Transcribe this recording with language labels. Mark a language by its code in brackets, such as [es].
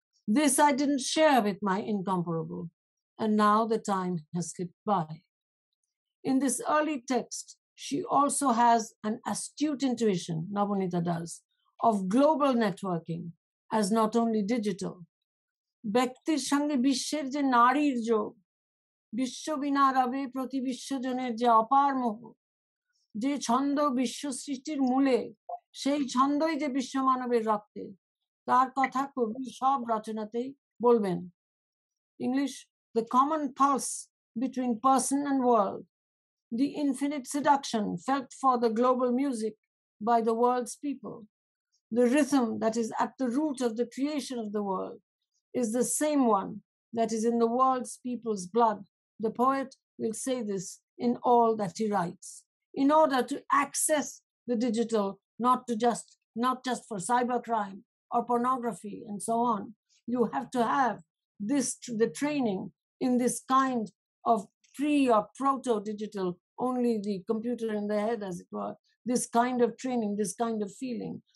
[en] This I didn't share with my incomparable, and now the time has slipped by. In this early text, she also has an astute intuition, Nabaneeta does, of global networking as not only digital. [bn] ব্যক্তির সঙ্গে বিশ্বের যে নারীর যোগ, বিশ্ব বিনা রবে প্রতি বিশ্বজনের যে অপার মোহ, যে ছন্দ বিশ্ব সৃষ্টির মূলে, সেই ছন্দই যে বিশ্ব মানবের রক্তে, তার কথা কবি সব রচনাতেই বলবেন। [en] English, the common pulse between person and world, the infinite seduction felt for the global music by the world's people, the rhythm that is at the root of the creation of the world is the same one that is in the world's people's blood. The poet will say this in all that he writes. In order to access the digital, not just for cybercrime or pornography and so on, you have to have this the training in this kind of pre or proto-digital, only the computer in the head, as it were, this kind of training, this kind of feeling.